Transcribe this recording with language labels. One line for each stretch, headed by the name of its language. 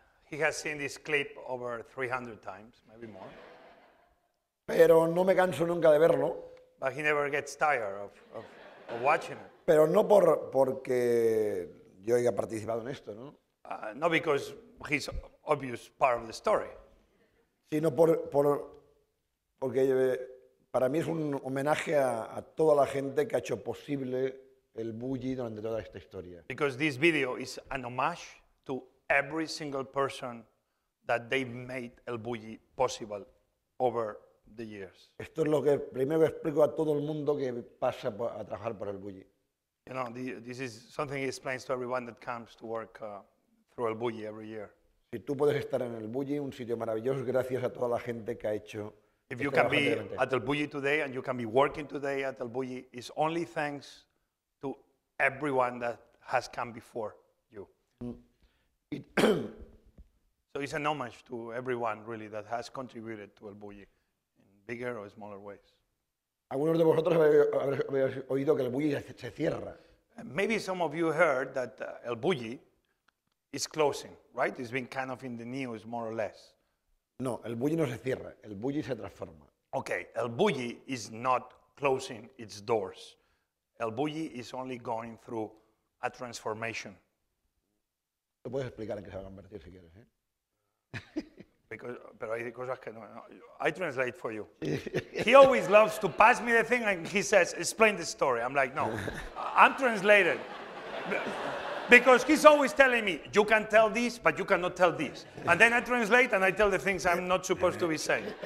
English: He has seen this clip over 300 times, maybe more.
Spanish: Pero no me canso nunca de verlo.
English: But he never gets tired of watching it.
Spanish: Pero no porque yo haya participado en esto, ¿no?
English: Not because he's obvious part of the story.
Spanish: Sino porque para mí es un homenaje a toda la gente que ha hecho posible elBulli durante toda esta historia.
English: Because this video is an homage to every single person that they made elBulli possible over the years.
Spanish: Esto es lo que primero explico a todo el mundo que pasa a trabajar por elBulli.
English: You know, this is something he explains to everyone that comes to work through elBulli every year.
Spanish: Si tú puedes estar en elBulli, un sitio maravilloso, gracias a toda la gente que ha hecho.
English: If you can be at elBulli today and you can be working today at elBulli, it's only thanks everyone that has come before you. So it's an homage to everyone, really, that has contributed to elBulli in bigger or smaller ways.
Spanish: Algunos de vosotros habéis oído que elBulli se cierra.
English: Maybe some of you heard that elBulli is closing, right? It's been kind of in the news, more or less.
Spanish: No, elBulli no se cierra. elBulli se transforma.
English: Okay, elBulli is not closing its doors. elBulli is only going through a transformation.
Spanish: ¿Lo puedes explicar en qué se va a convertir si quieres, eh? pero hay cosas que no.
English: I translate for you. He always loves to pass me the thing and he says, explain the story. I'm like, no, I'm translated. Because he's always telling me, you can tell this, but you cannot tell this. And then I translate and I tell the things I'm not supposed to be saying.